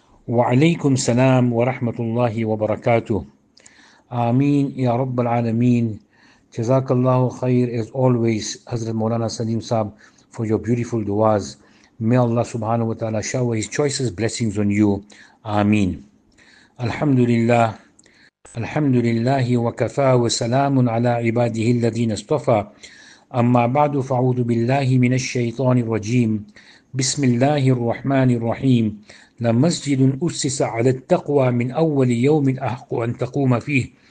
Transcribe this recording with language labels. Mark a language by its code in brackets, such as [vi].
[ar] وعليكم السلام ورحمة الله وبركاته. آمين يا رب العالمين. جزاك الله خير [en] as always حضرت مولانا سليم صاحب for your beautiful دعاز. May Allah subhanahu wa ta'ala shower his choicest blessings on you. [ar] آمين. الحمد لله الحمد لله وكفى وسلام على عباده الذين اصطفى. أما بعد فأعوذ بالله من الشيطان الرجيم. بسم الله الرحمن الرحيم. لمسجد أسس على التقوى من أول يوم أحق أن تقوم فيه.